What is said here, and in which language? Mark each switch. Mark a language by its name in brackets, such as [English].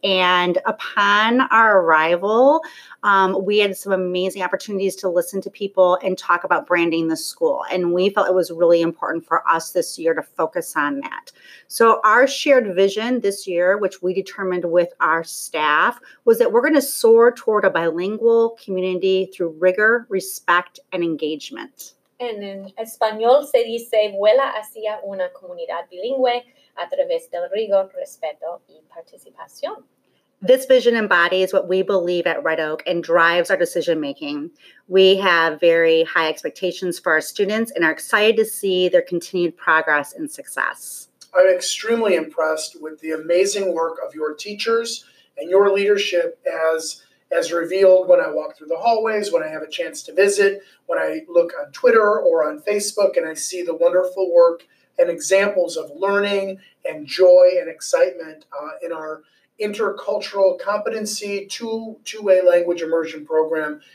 [English] And upon our arrival, we had some amazing opportunities to listen to people and talk about branding the school. And we felt it was really important for us this year to focus on that. So our shared vision this year, which we determined with our staff, was that we're going to soar toward a bilingual community through rigor, respect, and engagement. And in [Spanish] Espanol se dice, vuela hacia una comunidad bilingüe a través del rigor, respeto y participación. [English] This vision embodies what we believe at Red Oak and drives our decision making. We have very high expectations for our students and are excited to see their continued progress and success. I'm extremely impressed with the amazing work of your teachers and your leadership as revealed when I walk through the hallways, when I have a chance to visit, when I look on Twitter or on Facebook and I see the wonderful work and examples of learning and joy and excitement in our intercultural competency two-way language immersion program.